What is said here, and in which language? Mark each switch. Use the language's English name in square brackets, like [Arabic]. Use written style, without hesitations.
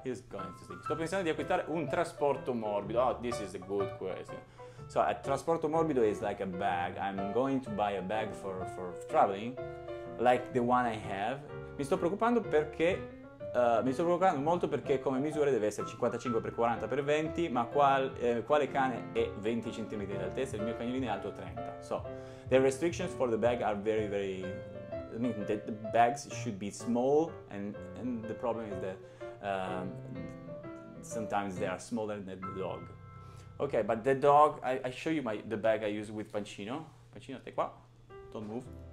[English] He's going to sleep. [Italian] Sto pensando di acquistare un trasporto morbido. [English] Oh, this is a good question. So, a trasporto morbido is like a bag. I'm going to buy a bag for traveling, like the one I have. [Italian] Mi sto preoccupando perché... mi sto provocando molto perché come misura deve essere 55x40x20, ma quale cane è 20 cm di altezza? Il mio cagnolino è alto 30. [English] So, the restrictions for the bag are very, very... I mean, the bags should be small, and the problem is that sometimes they are smaller than the dog. Ok, but the dog... I show you the bag I use with Pancino. Pancino, [Italian] stai qua. [English] Don't move.